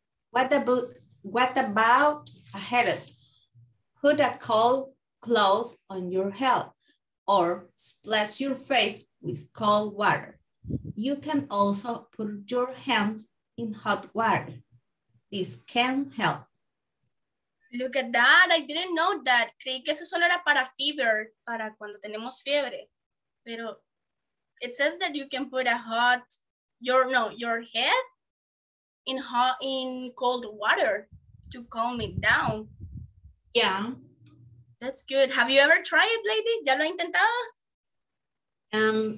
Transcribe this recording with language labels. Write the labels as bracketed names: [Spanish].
[English] What about a headache? Put a cold cloth on your head or splash your face with cold water. You can also put your hands in hot water. This can help. Look at that. I didn't know that. [Spanish] Creí que eso solo era para fiebre, para cuando tenemos fiebre. [English] Pero it says that you can put a hot, your head in hot, in cold water to calm it down. Yeah. That's good. Have you ever tried it, lady? [Spanish] ¿Ya lo ha intentado?